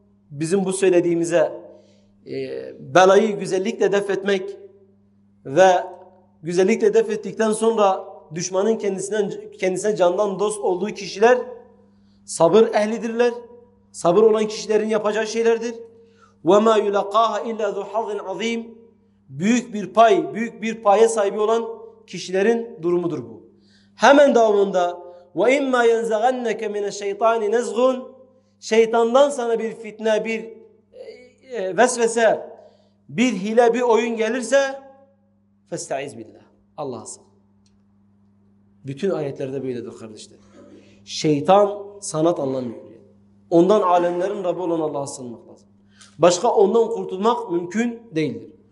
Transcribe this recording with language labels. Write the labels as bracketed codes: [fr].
[tr] Bizim bu söylediğimize belayı güzellikle def etmek ve güzellikle def ettikten sonra düşmanın kendisine candan dost olduğu kişiler sabır ehlidirler. Sabır olan kişilerin yapacağı şeylerdir. [ar] وَمَا يُلَقَّاهَا اِلَّا ذُو حَظٍ عَظ۪يمٍ. [tr] Büyük bir paya sahibi olan kişilerin durumudur bu. Hemen devamında [ar] وَاِمَّا يَنْزَغَنَّكَ مِنَ الشَّيْطَانِ نَزْغٌ. [tr] şeytandan sana bir fitne, bir vesvese, bir hile, bir oyun gelirse [ar] فَاسْتَعِذْ بِاللّٰهِ [tr] Allah'a sığın. Bütün ayetlerde böyledir kardeşler. Şeytan sanat anlamıyor. Ondan alemlerin Rabbi olan Allah'a sığınmak lazım. Başka ondan kurtulmak mümkün değildir.